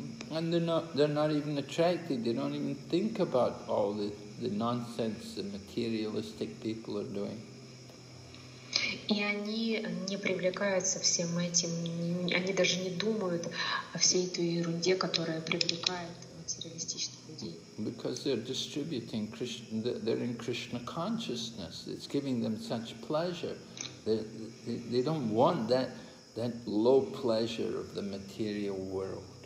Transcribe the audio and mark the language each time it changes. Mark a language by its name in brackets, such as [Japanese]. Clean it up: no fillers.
[English] And they're not even attracted, they don't even think about all the nonsense the materialistic people are doing. [Russian] И они не привлекаются всем этим, они даже не думают о всей той ерунде, которая привлекает материалистичных людей. [English] Because they're distributing Krishna, they're in Krishna consciousness. It's giving them such pleasure. They don't want that low pleasure of the material world.